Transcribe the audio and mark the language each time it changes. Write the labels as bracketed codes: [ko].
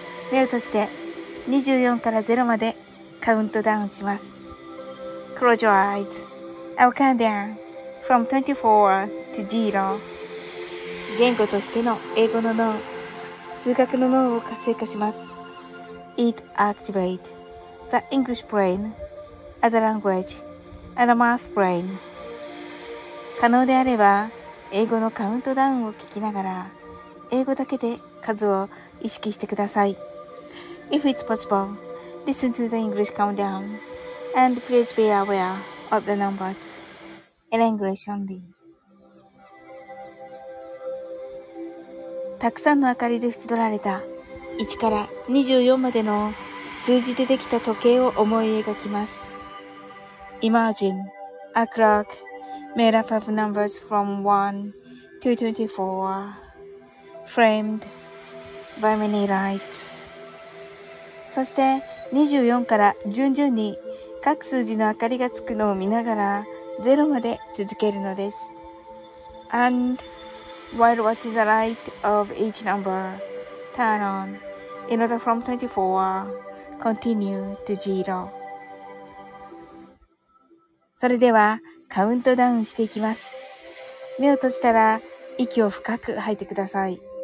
[ja] 目を閉じて24から0までカウントダウンします。 [en] Close your eyes. I'll count down from 24 to 0. [ja] 言語としての英語の脳、数学の脳を活性化します。 [en] It activates. The English brain as a language and a math brain. [ja] 可能であれば英語のカウントダウンを聞きながら英語だけで数を意識してください。 [en] If it's possible, listen to the English countdown and please be aware of the numbers in English only. [ja] たくさんの明かりで縁取られた1から24までの数字でできた時計を思い描きます。 [en] Imagine a clock made up of numbers from 1 to 24, framed by many lights. [ja] そして24から順々に各数字の明かりがつくのを見ながら0まで続けるのです。 [en] And while watching the light of each number turn on in order from 24,Continue to zero. [ja] それではカウントダウンしていきます。目を閉じたら息を深く吐いてください。